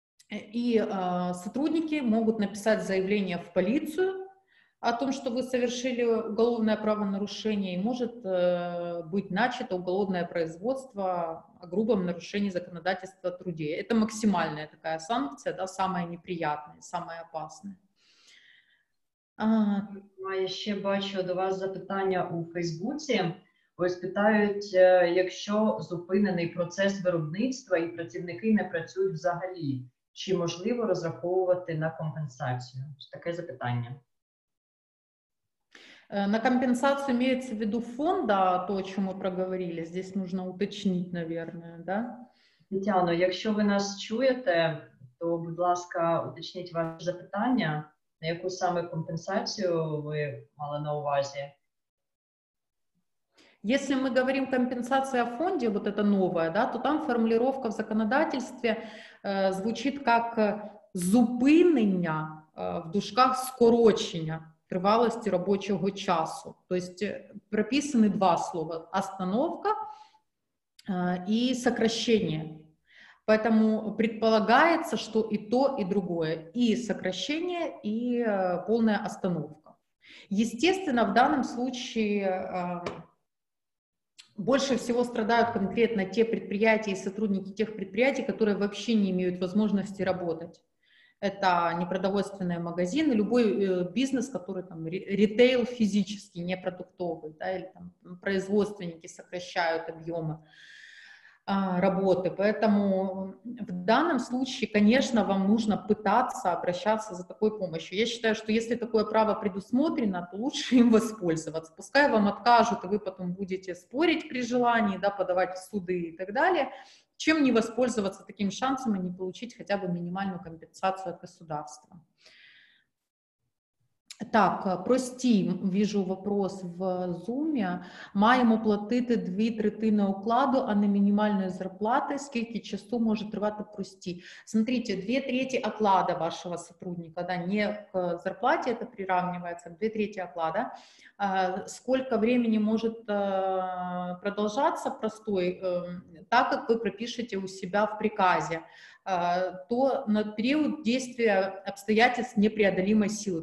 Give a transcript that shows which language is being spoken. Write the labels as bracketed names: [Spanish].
[Russian] И сотрудники могут написать заявление в полицию о том, что вы совершили уголовное правонарушение, и может быть начато уголовное производство о грубом нарушении законодательства о труде. Это максимальная такая санкция, да, самая неприятная, самая опасная. [Ukrainian] Я еще бачу до вас запитання у Фейсбуці. Ось питають, якщо зупинений процес виробництва і працівники не працюють взагалі, чи можливо розраховувати на компенсацію? Таке запитання. [Russian] На компенсацию имеется в виду фонд, да, то, о чем мы проговорили, здесь нужно уточнить, наверное, да? Тетяна, если вы нас чуете, то, [Ukrainian] будь ласка, [Russian] уточните ваше запитание, на какую самую компенсацию вы [Ukrainian] мали на увазе? [Russian] Если мы говорим компенсация о фонде, вот это новое, да, то там формулировка в законодательстве звучит как [Ukrainian] зупинення в дужках скорочення тривалості робочого часу. Тобто прописані два слова – остановка і сокращення. Тому предполагається, що і друге – і сокращення, і повна остановка. Звісно, в даному випадку більше всього страдають конкретно ті підприємства і співробітники тих підприємств, які взагалі не мають можливості працювати. [Russian] Это непродовольственные магазины, любой бизнес, который там ритейл физически, не продуктовый, да, или там производственники сокращают объемы работы. Поэтому в данном случае, конечно, вам нужно пытаться обращаться за такой помощью. Я считаю, что если такое право предусмотрено, то лучше им воспользоваться. Пускай вам откажут, и вы потом будете спорить при желании, да, подавать в суды и так далее. Чем не воспользоваться таким шансом и не получить хотя бы минимальную компенсацию от государства? [Ukrainian] Так, прості, віжу вопрос в зумі. Маємо платити 2/3 окладу, а не мінімальної зарплати. Скільки часу може тривати прості? [Russian] Смотрите, 2/3 оклада вашого сотрудника, да, не к зарплаті, это приравнивается, 2/3 оклада. Сколько времени может продолжаться простой, так как вы пропишете у себя в приказе, то на период действия обстоятельств непреодолимой силы.